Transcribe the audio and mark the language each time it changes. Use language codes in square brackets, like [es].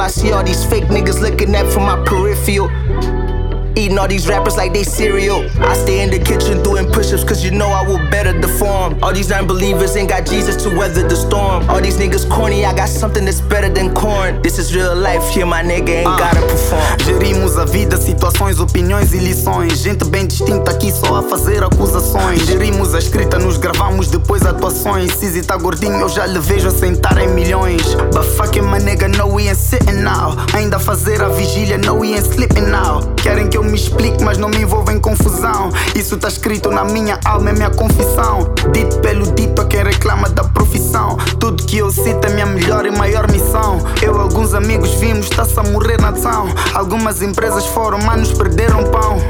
[en] I see all these fake niggas looking at from my peripheral, eating all these rappers like they cereal. I stay in the kitchen doing push-ups, cause you know I will better the form. All these non-believers ain't got Jesus to weather the storm. All these niggas corny, I got something that's better than corn. This is real life, here my nigga ain't gotta perform. [pt] Gerimos a vida, situações, opiniões e lições. Gente bem distinta aqui só a fazer acusações. Gerimos a escrita, nos gravamos depois atuações. Cizzy tá gordinho, eu já lhe vejo a sentar em milhões. [en] But fucking my nigga, no we ain't sitting now. [pt] Ainda a fazer a vigília, [en] no we ain't sleeping now. [pt] Querem que eu me explique, mas não me envolvo em confusão. Isso tá escrito na minha alma, é minha confissão. Dito pelo dito a quem reclama da profissão. Tudo que eu sinto é minha melhor e maior missão. Eu e alguns amigos vimos, tá-se a morrer na ação. Algumas empresas foram, manos perderam pão.